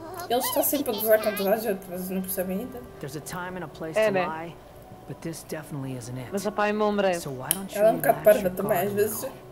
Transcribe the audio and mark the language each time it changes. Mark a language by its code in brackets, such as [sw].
[pt] Ele está sempre a gozar com toda a gente, mas não percebe ainda. [en] There's a time and a place to lie, but this definitely isn't it. [pt] Mas a pai mumbra. Ela é um bocado parva também às vezes.